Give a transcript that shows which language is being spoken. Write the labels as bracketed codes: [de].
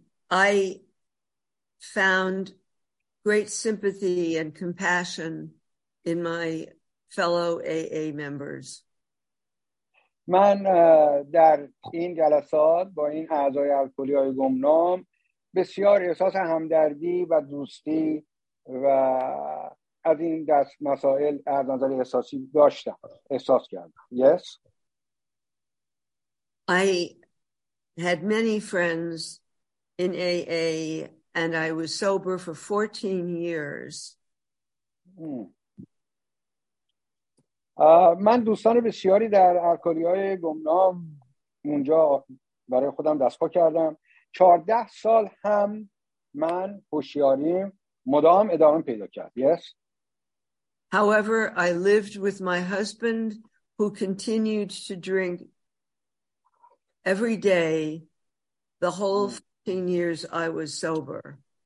[en] I found great sympathy and compassion in my fellow AA members. [fa] من در این جلسات با این اعضای الکلی‌های گمنام بسیار احساس همدردی و دوستی و از این دست مسائل از نظر احساسی داشتم، احساس کردم. [en] Yes. I had many friends in AA and I was sober for 14 years. [fa] من دوستان بسیاری در الکلی‌های گمنام اونجا برای خودم دست پا کردم. 14 سال هم من هوشیاریم مدام ادامه پیدا کرد. [en] Yes. However, I lived with my husband who continued to drink every day the whole 15 years I was sober.